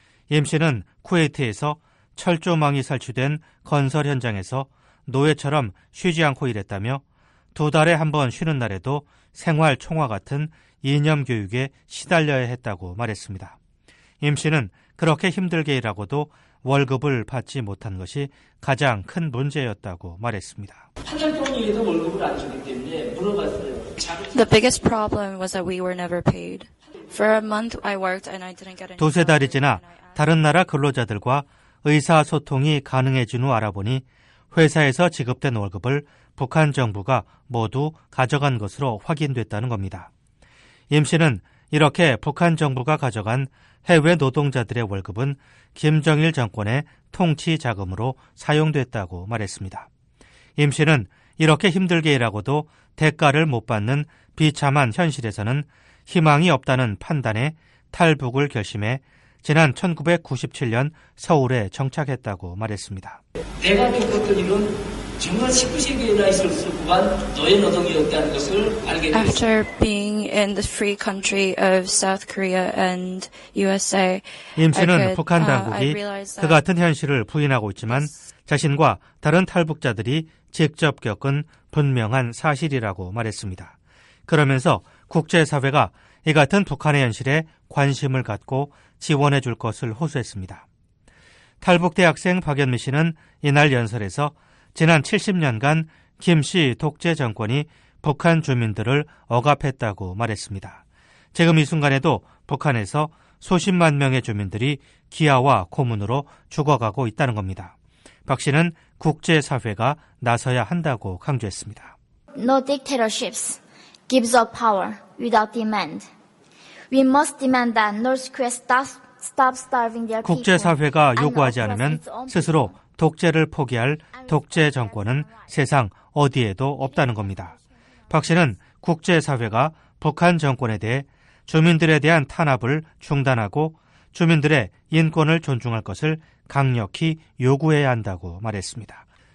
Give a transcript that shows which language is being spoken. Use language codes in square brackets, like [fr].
[ko] 임 씨는 쿠웨이트에서 철조망이 설치된 건설 현장에서 노예처럼 쉬지 않고 일했다며 두 달에 한 번 쉬는 날에도 생활 총화 같은 이념 교육에 시달려야 했다고 말했습니다. 임 씨는 그렇게 힘들게 일하고도 월급을 받지 못한 것이 가장 큰 문제였다고 말했습니다. 파견총리에서 월급을 안 주기 때문에 물어봤어요. [en] The biggest problem was that we were never paid. For a month I worked and I didn't get any. [ko] 두세 달이 지나 다른 나라 근로자들과 의사소통이 가능해진 후 알아보니 회사에서 지급된 월급을 북한 정부가 모두 가져간 것으로 확인됐다는 겁니다. 임 씨는 이렇게 북한 정부가 가져간 해외 노동자들의 월급은 김정일 정권의 통치 자금으로 사용됐다고 말했습니다. 임 씨는 이렇게 힘들게 일하고도 대가를 못 받는 비참한 현실에서는 희망이 없다는 판단에 탈북을 결심해 지난 1997년 서울에 정착했다고 말했습니다. 내가 겪었던 일은 정말 19세기에나 있을 수 없는 노예 노동이었다는 것을 알게 됐습니다. [en] After being in the free country of South Korea and USA, [ko] 임 씨는 북한 당국이 그 같은 현실을 부인하고 있지만 자신과 다른 탈북자들이 직접 겪은 분명한 사실이라고 말했습니다. 그러면서 국제사회가 이 같은 북한의 현실에 관심을 갖고 지원해 줄 것을 호소했습니다. 탈북대학생 박연미 씨는 이날 연설에서 지난 70년간 김 씨 독재 정권이 북한 주민들을 억압했다고 말했습니다. 지금 이 순간에도 북한에서 수십만 명의 주민들이 기아와 고문으로 죽어가고 있다는 겁니다. 박 씨는 국제사회가 나서야 한다고 강조했습니다. [en] No dictatorships gives up power without demand. We must demand that North Korea stop starving their people. [ko] 국제사회가 요구하지 않으면 스스로 독재를 포기할 독재 정권은 세상 어디에도 없다는 겁니다. 박 씨는 국제사회가 북한 정권에 대해 주민들에 대한 탄압을 중단하고 주민들의 인권을 존중할 것을 강력히 요구해야 한다고 말했습니다.